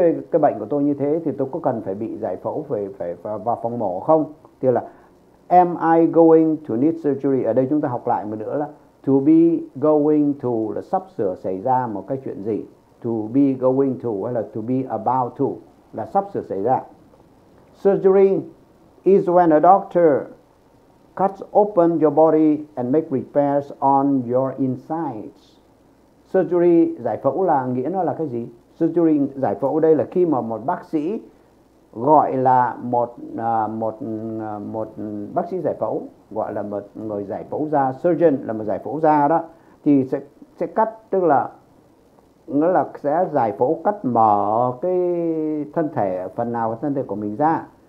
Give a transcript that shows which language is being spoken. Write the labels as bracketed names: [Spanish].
[Vietnamese] Cái bệnh của tôi như thế thì tôi có cần phải bị giải phẫu, phải vào phòng mổ không? Thì là [English] am I going to need surgery? [Vietnamese] Ở đây chúng ta học lại một nữa là to be going to là sắp sửa xảy ra một cái chuyện gì? [English] To be going to [Vietnamese] hay là [English] to be about to [Vietnamese] là sắp sửa xảy ra. [English] Surgery is when a doctor cuts open your body and make repairs on your insides. [Vietnamese] Surgery, giải phẫu là nghĩa nó là cái gì? Surgery, giải phẫu đây là khi mà một bác sĩ gọi là một bác sĩ giải phẫu, gọi là một người giải phẫu da, surgeon là một giải phẫu da đó, thì sẽ sẽ cắt, tức là nó là sẽ giải phẫu cắt mở cái thân thể, phần nào của thân thể của mình ra.